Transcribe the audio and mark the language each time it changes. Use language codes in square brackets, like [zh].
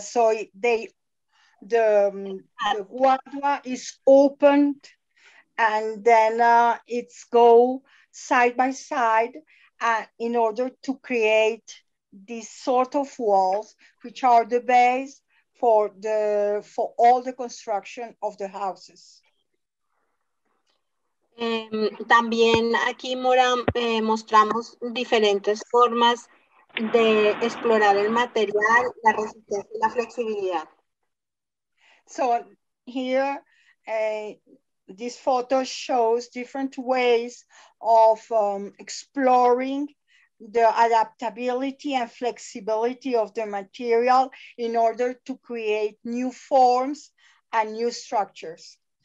[en] So the guadua is opened, and then it's go side by side in order to create these sort of walls, which are the base for all the construction of the houses. [es] También aquí, Mora, mostramos diferentes formas de explorar el material, la resistencia y la flexibilidad. [en] So here, this photo shows different ways of exploring the adaptability and flexibility of the material in order to create new forms and new structures.